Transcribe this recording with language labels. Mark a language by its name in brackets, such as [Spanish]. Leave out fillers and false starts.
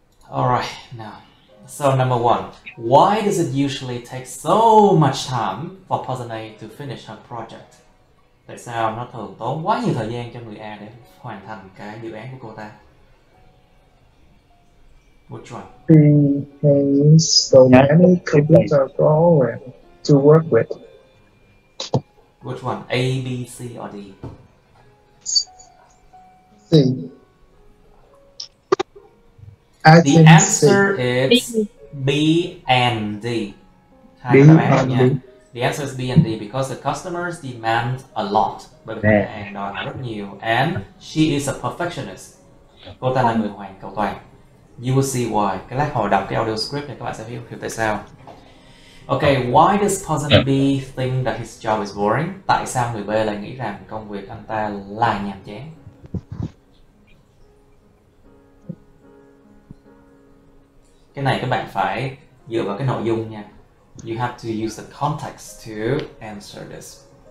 [English] Alright, now. So number one, why does it usually take so much time for person A to finish her project? [Vietnamese] Tại sao nó thường tốn quá nhiều thời gian cho người A để hoàn thành cái dự án của cô ta? [English] Which one? She has so many computer programs to work with. Which one? A, B, C or D? C. The answer is B and D. The answer is B and D because the customers demand a lot. [Vietnamese] Bởi vì khách hàng đòi rất nhiều. [English] And she is a perfectionist. [Vietnamese] Cô ta là người hoàn cầu toàn. [English] You will see why. [Vietnamese] Cái lát hồi đọc cái audio script này các bạn sẽ hiểu tại sao. [English] Okay, why does person B think that his job is boring? [Vietnamese] Tại sao người B lại nghĩ rằng công việc anh ta là nhàm chán? Cái này các bạn phải dựa vào cái nội dung nha. [English] You have to use the context to answer this.